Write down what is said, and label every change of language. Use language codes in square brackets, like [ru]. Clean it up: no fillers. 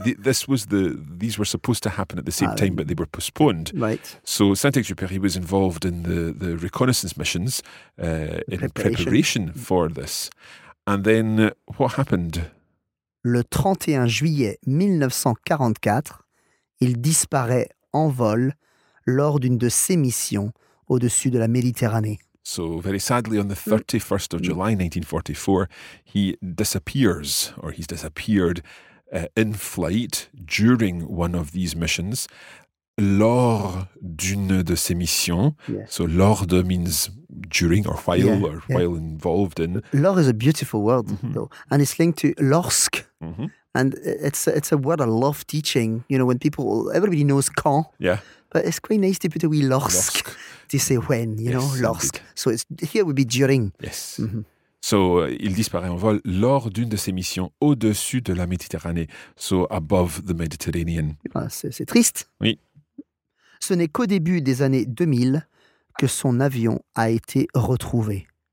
[en] These were supposed to happen at the same time, but they were postponed. Right. So Saint-Exupéry was involved in the reconnaissance missions in preparation for this. And then what happened? [fr] Le 31 juillet 1944, il disparaît en vol lors d'une de ses missions au-dessus de la Méditerranée. [en] So, very sadly, on the 31st of July 1944, he disappears, or he's disappeared in flight during one of these missions, [fr] lors d'une de ses missions. [en] Yeah. So, lors de means during or while while involved in. Lors is a beautiful word, though, and it's linked to lorsque. Mm-hmm. And it's a word I love teaching, you know, when everybody knows quand. Yeah. But it's quite nice to put a wee lorsque to say when, you know, lorsque. So it's, here would be during. Yes. Mm-hmm. So [fr] il disparaît en vol lors d'une de ses missions au-dessus de la Méditerranée. [en] So above the Mediterranean. [fr] C'est triste. Oui. Ce n'est qu'au début des années 2000 que son avion a été retrouvé.